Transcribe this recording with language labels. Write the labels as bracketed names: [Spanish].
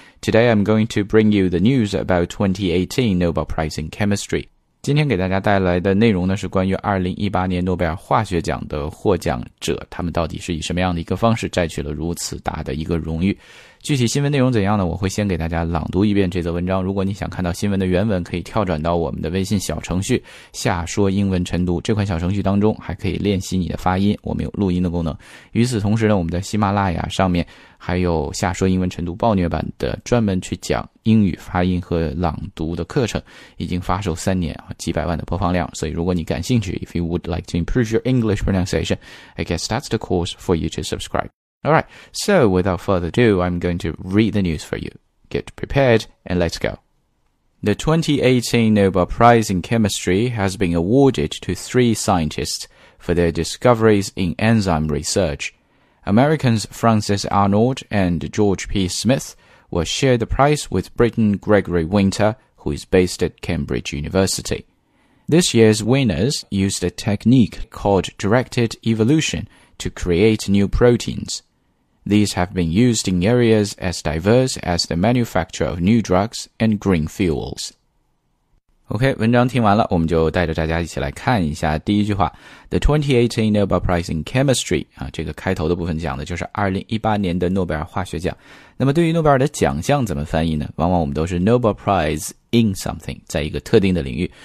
[English] Today I'm going to bring you the news about 2018 Nobel Prize in Chemistry. [Chinese] 今天给大家带来的内容呢是关于2018年诺贝尔化学奖的获奖者，他们到底是以什么样的一个方式摘取了如此大的一个荣誉。具体新闻内容怎样呢？我会先给大家朗读一遍这则文章。如果你想看到新闻的原文，可以跳转到我们的微信小程序“下说英文晨读”这款小程序当中，还可以练习你的发音。我们有录音的功能。与此同时呢，我们在喜马拉雅上面还有“下说英文晨读”暴虐版的专门去讲英语发音和朗读的课程，已经发售三年，几百万的播放量。所以如果你感兴趣 [English] ，if you would like to improve your English pronunciation, I guess that's the course for you to subscribe. Alright, so without further ado, I'm going to read the news for you. Get prepared and let's go. The 2018 Nobel Prize in Chemistry has been awarded to three scientists for their discoveries in enzyme research. Americans Francis Arnold and George P. Smith will share the prize with Briton Gregory Winter, who is based at Cambridge University. This year's winners used a technique called directed evolution to create new proteins. These have been used in areas as diverse as the manufacture of new drugs and green fuels. [Chinese] OK, 文章听完了，我们就带着大家一起来看一下第一句话。 [English] The 2018 Nobel Prize in Chemistry, [Chinese] 这个开头的部分讲的就是2018年的诺贝尔化学奖。那么对于诺贝尔的奖项怎么翻译呢？往往我们都是 [English] Nobel Prize in something, [Chinese] 在一个特定的领域。